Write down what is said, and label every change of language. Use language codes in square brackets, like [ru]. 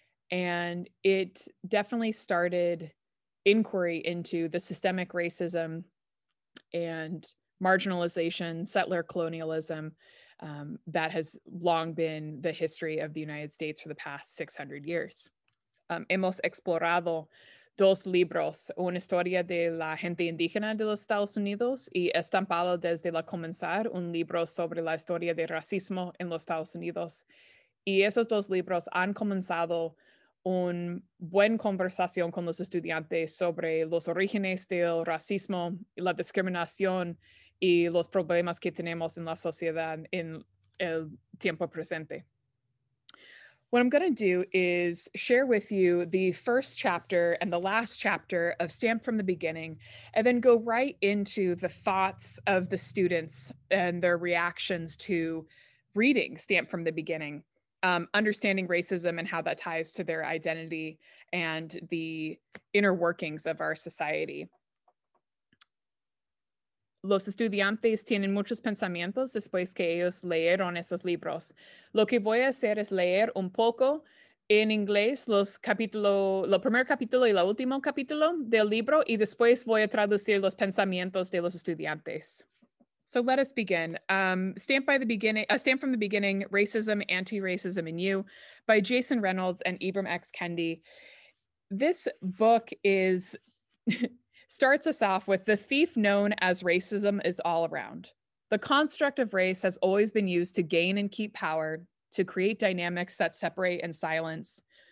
[en] And it definitely started inquiry into the systemic racism and marginalization, settler colonialism, that has long been the history of the United States for the past 600 years. [es] Hemos explorado dos libros, Una Historia de la Gente Indígena de los Estados Unidos y Estampado desde la Comenzar, un libro sobre la historia de racismo en los Estados Unidos. Y esos dos libros han comenzado una buena conversación con los estudiantes sobre los orígenes del racismo, la discriminación y los problemas que tenemos en la sociedad en el tiempo presente. [en] What I'm going to do is share with you the first chapter and the last chapter of Stamped from the Beginning, and then go right into the thoughts of the students and their reactions to reading Stamped from the Beginning. Understanding racism and how that ties to their identity and the inner workings of our society. [es] Los estudiantes tienen muchos pensamientos después que ellos leyeron esos libros. Lo que voy a hacer es leer un poco en inglés los capítulos, lo primer capítulo y el último capítulo del libro, y después voy a traducir los pensamientos de los estudiantes. [en] So let us begin. Stamped from the Beginning, Racism, Anti-Racism, and You by Jason Reynolds and Ibram X. Kendi. This book is starts us off with the thief known as racism is all around. The construct of race has always been used to gain and keep power, to create dynamics that separate and silence.